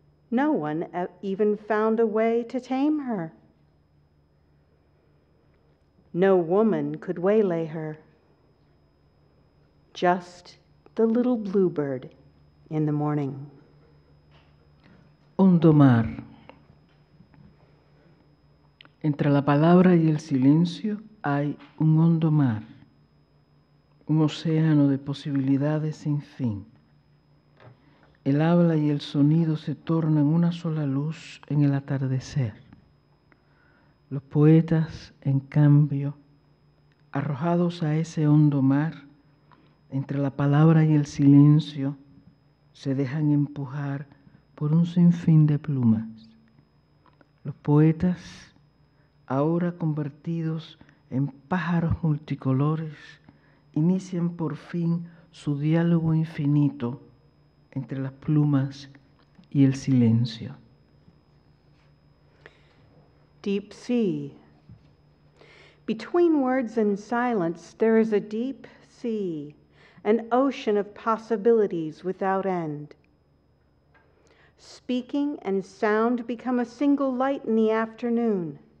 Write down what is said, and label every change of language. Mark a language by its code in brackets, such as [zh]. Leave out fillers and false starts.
[en] No one even found a way to tame her. No woman could waylay her. Just the little bluebird in the morning. [es] Hondo mar. Entre la palabra y el silencio hay un hondo mar, un océano de posibilidades sin fin. El habla y el sonido se tornan una sola luz en el atardecer. Los poetas, en cambio, arrojados a ese hondo mar, entre la palabra y el silencio, se dejan empujar por un sinfín de plumas. Los poetas, ahora convertidos en pájaros multicolores, inician por fin su diálogo infinito entre las plumas y el silencio. [en] Deep sea. Between words and silence, there is a deep sea. An ocean of possibilities without end. Speaking and sound become a single light in the afternoon.